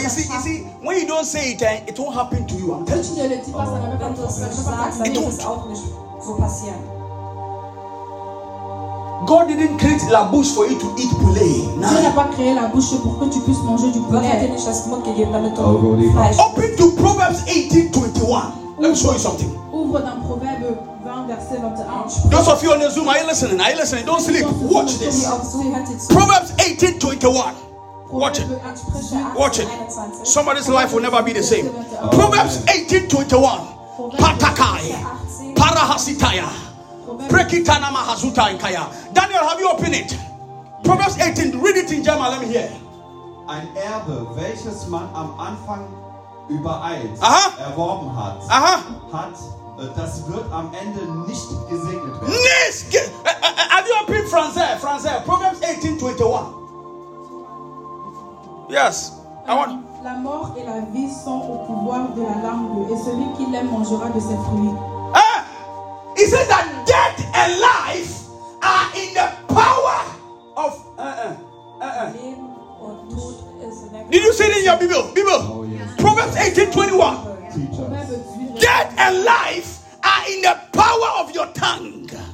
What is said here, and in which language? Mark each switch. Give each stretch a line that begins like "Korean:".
English: you see, when you don't say it, it won't happen to you. I'm telling you. God didn't create
French: la bouche
English: for you to eat poulet.
French: Dieu n'a pas créé la bouche pour que tu puisses manger du poulet.
English: Open to Proverbs 18:21. Let me show you something.
French: Ouvre dans Proverbe 20, verset 21.
English: Those of you on the Zoom, are you listening? Are you listening? Don't sleep. Watch this. Proverbs 18:21. Watch it. Somebody's life will never be the same. Proverbs 18:21. Patakai. Parahasitaya. Prekitana mahazuta inkaya. Daniel, have you opened it? Proverbs 18. Read it in German. Let me hear.
German: Ein Erbe, welches man am Anfang übereilt erworben hat, hat das wird am Ende nicht gesegnet werden. Nicht.
English: Have you opened Francais? Proverbs 18:21. Yes.
French: La mort et la vie sont au pouvoir de la langue et celui qui l'aime mangera de ses fruits.
English: He says that death and life are in the power of Did you see it in your Bible? Proverbs 18:21. Death and life are in the power of your tongue.